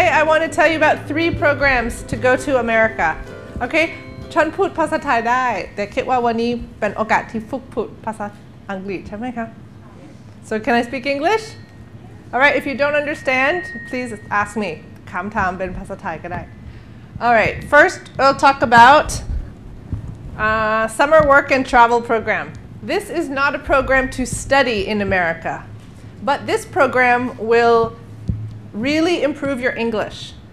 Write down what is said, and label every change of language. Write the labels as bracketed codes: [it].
[en] want to tell you about three programs to go to America. Okay? [th] ฉันพูดภาษาไทยได้แต่คิดว่าวันนี้เป็นโอกาสที่ฝึกพูดภาษาอังกฤษใช่ไหมคะ [en] So can I speak English? All right, if you don't understand, please ask me. [th] คำถามเป็นภาษาไทยก็ได้ [en] All right, first we'll talk about summer work and travel program. This is not a program to study in America, but this program will really improve your English.